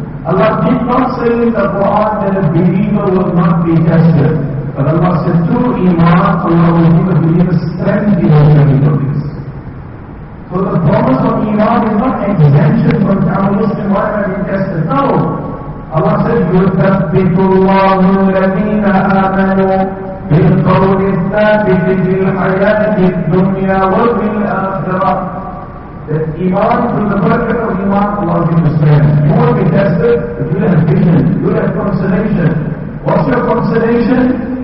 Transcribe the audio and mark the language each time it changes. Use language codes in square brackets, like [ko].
[en] Allah did not say in the Quran that a believer will not be tested. But Allah said, through Iman, Allah will give a believer strength in the difficulties. So the promise of Iman is not exemption from Tamil's environment tested. No! [ar] Allah said, يُثَبِّتُ اللَّهُ الَّذِينَ آمَنُوا بِالْقَوْلِ الثَّابِتِ فِي الْحَيَاةِ الدُّنْيَا وَفِي الْآخِرَةِ. [en] That Iman, through the perfect of Iman, Allah gives you strength. You won't be tested, but you'll have vision, you'll have consolation. What's your consolation?